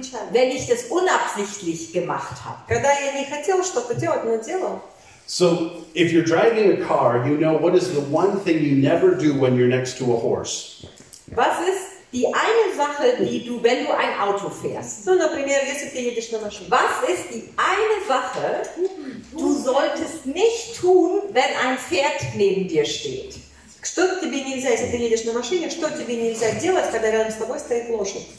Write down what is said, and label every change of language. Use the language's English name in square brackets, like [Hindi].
[German] Wenn ich das unabsichtlich gemacht habe. [Russian] Когда я не хотел что-то делать, но делал. [English] So, if you're driving a car, you know what is the one thing you never do when you're next to a horse. [German] Was ist die eine Sache, die du, wenn du ein Auto fährst? [Russian] So, например, если ты едешь на машине. [German] Was ist die eine Sache, du solltest nicht tun, wenn ein Pferd neben dir steht? [Russian] Что тебе нельзя, если ты едешь на машине, что тебе нельзя делать, когда рядом с тобой стоит лошадь?